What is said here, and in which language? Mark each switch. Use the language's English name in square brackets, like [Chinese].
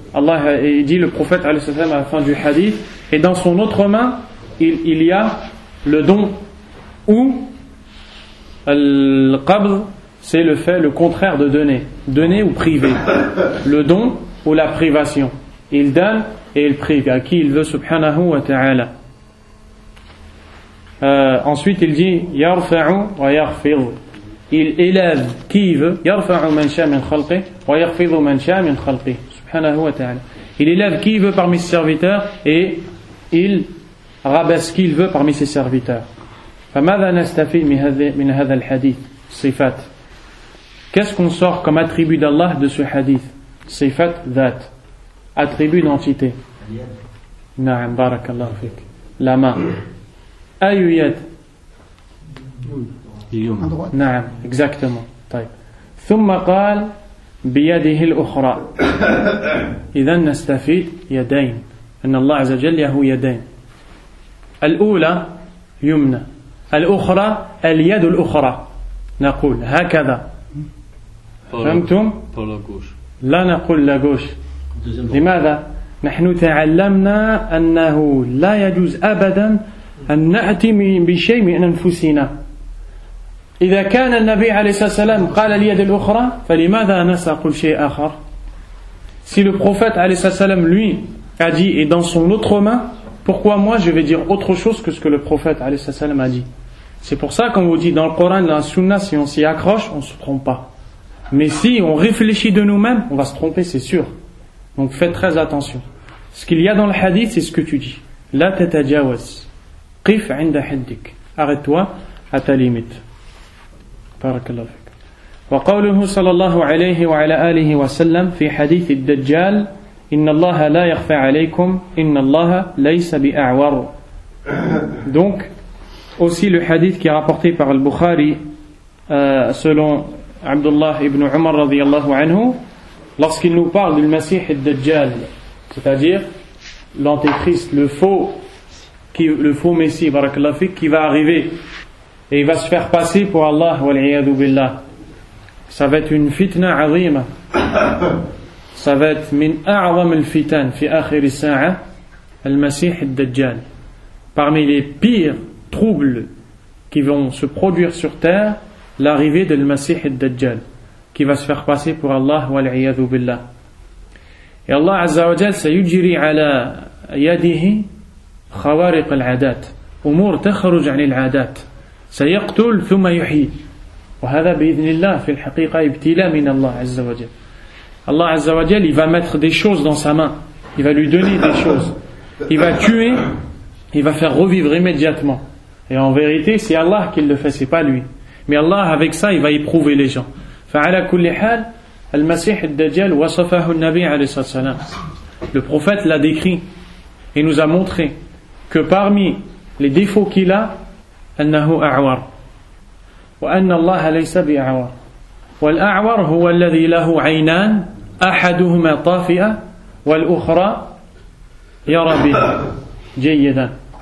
[French] Allah dit, le prophète alayhi salam à la fin du hadith, et dans son autre main il y a le don ou القبض, c'est le fait, le contraire de donner ou priver, le don ou la privation, il donne et il prive à qui il veut, [Arabic] subhanahu wa ta'ala. [French] Ensuite il dit [Arabic] يَرْفَعُ وَيَخْفِضُ, [French] il élève qui il veut, [Arabic] يَرْفَعُ مَنْ شَاءَ مِنْ خَلْقِهِ وَيَخْفِضُ مَنْ شَاءَ مِنْ خَلْقِهِ سُبْحَانَهُ وَتَعَالَى. [French] Il élève qui il veut parmi ses serviteurs et il rabaisse qui il veut parmi ses serviteurs. [Arabic] فَمَاذَا نَسْتَفِيدُ مِنْ هَذَا الْحَدِيثِ صِفَات. [French] Qu'est-ce qu'on sort comme attribut d'Allah de ce hadith? [Arabic] صِفَات ذات. [French] Attribut d'entité. [Arabic] نَعَمْ بَارَكَ اللَّهُ فِيكَ. [French] La main. [Arabic] أَيُّ يَد. نعم [French] exactement. [Arabic] طيب. ثم قال بيده الأخرى. إذن نستفيد يدين. أن الله عز وجل له يدين. الأولى يمنى. الأخرى اليد الأخرى. نقول هكذا. فهمتم؟ لا نقول لا جوش. لماذا؟ نحن تعلمنا أنه لا يجوز أبدا أن نأتي بشيء من أنفسنا. إذا كان النبي عليه الصلاة والسلام قال اليد الأخرى فلماذا نسى قل شيء آخر. [French] Si le prophète [Arabic] عليه الصلاة والسلام [French] lui a dit et dans son autre main, pourquoi moi je vais dire autre chose que ce que le prophète عليه الصلاة والسلام a dit. C'est pour ça qu'on vous dit dans le Coran, dans la Sunna, si on s'y accroche, on ne se trompe pas. Mais si on réfléchit de nous-mêmes, on va se tromper, c'est sûr. Donc faites très attention. Ce qu'il y a dans le hadith, c'est ce que tu dis. [Arabic] لا تتجاوز قف عند حدك. [French] Arrête-toi à ta limite. [Arabic] بارك الله فيك. وقوله صلى الله عليه وعلى آله وسلم في حديث الدجال إن الله لا يخفى عليكم إن الله ليس بأعور. [French] Donc aussi le hadith qui est rapporté par al-Bukhari selon Abdullah ibn Umar [Arabic] رضي الله عنه, [French] lorsqu'il nous parle du Messie al-Dajjal, c'est-à-dire l'antéchrist, le faux Messie, [Arabic] بارك الله فيك, [French] qui va arriver et il va se faire passer pour Allah, [Arabic] wal'iyadu billah. [French] Ça va être une [Arabic] fitna azima. [French] Ça va être [Arabic] min a'zam al-fitan fi akhir as-sa'a, al-masih ad-dajjal. [French] Parmi les pires troubles qui vont se produire sur terre, l'arrivée de al-masih ad-dajjal, qui va se faire passer pour Allah, [Arabic] wal'iyadu billah. Et Allah azza wa jalla sayujri ala yadihi khawariq al-'adat, umur takhruj 'ani al-'adat. سيقتل ثم يحيي. وهذا بإذن الله في الحقيقة ابتلاء من الله عز وجل. الله عز وجل [French] il va mettre des choses dans sa main, il va lui donner des choses, il va tuer, il va faire revivre immédiatement. Et en vérité, c'est Allah qui le fait, c'est pas lui. Mais Allah, avec ça, il va éprouver les gens. [Arabic] فعلى كل حال المسيح الدجال وصفه النبي عليه الصلاة والسلام. [French] Le prophète l'a décrit et nous a montré que parmi les défauts qu'il a, [Arabic] أنه أعور وأن الله ليس بأعور والأعور هو الذي له عينان أحدهما طافئة والأخرى يرى به جيدا.